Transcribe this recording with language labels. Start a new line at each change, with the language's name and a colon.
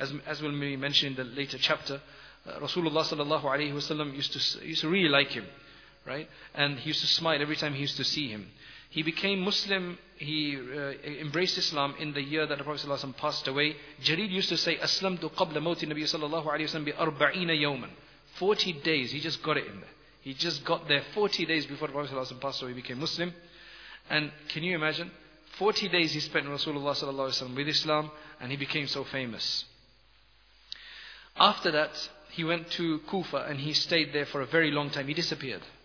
English: As will be mentioned in the later chapter, Rasulullah sallallahu alayhi wa sallam used to really like him, right? And he used to smile every time he used to see him. He became Muslim, he embraced Islam in the year that the Prophet ﷺ passed away. Jarir used to say,
Arabic: أَسْلَمْتُ قَبْلَ مَوْتِ النَّبِيَ صَلَى اللَّهُ عَلَيْهِ وَسَلَّمْ بِأَرْبَعِينَ يَوْمًا.
English: 40 days, he just got it in there. He just got there 40 days before the Prophet ﷺ passed away, he became Muslim. And can you imagine? 40 days he spent in Rasulullah ﷺ with Islam, and he became so famous. After that, he went to Kufa, and he stayed there for a very long time. He disappeared.